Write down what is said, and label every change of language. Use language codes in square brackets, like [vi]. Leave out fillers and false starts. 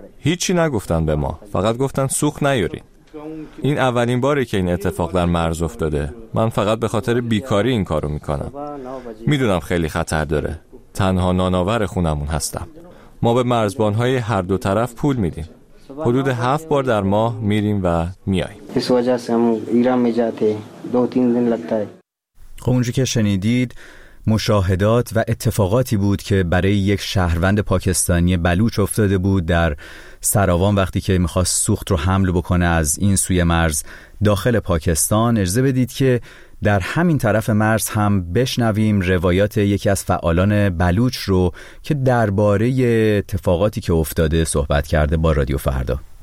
[fa] هیچی نگفتن به ما، فقط گفتن سوخت نیارین. این اولین باره که این اتفاق در مرز افتاده. من فقط به خاطر بیکاری این کارو میکنم. میدونم خیلی خطر داره. تنها ناناور خونمون هستم. ما به مرزبانهای هر دو طرف پول میدیم. حدود 7 بار در ماه میریم و میاییم. [ur] اس وجہ سے ہم ایران میں جاتے 2-3 دن لگتا ہے. [fa] خب اونجوری که شنیدید مشاهدات و اتفاقاتی بود که برای یک شهروند پاکستانی بلوچ افتاده بود در سراوان وقتی که میخواست سوخت رو حمل بکنه از این سوی مرز داخل پاکستان. اجازه بدید که در همین طرف مرز هم بشنویم روایات یکی از فعالان بلوچ رو که درباره اتفاقاتی که افتاده صحبت کرده با رادیو فردا.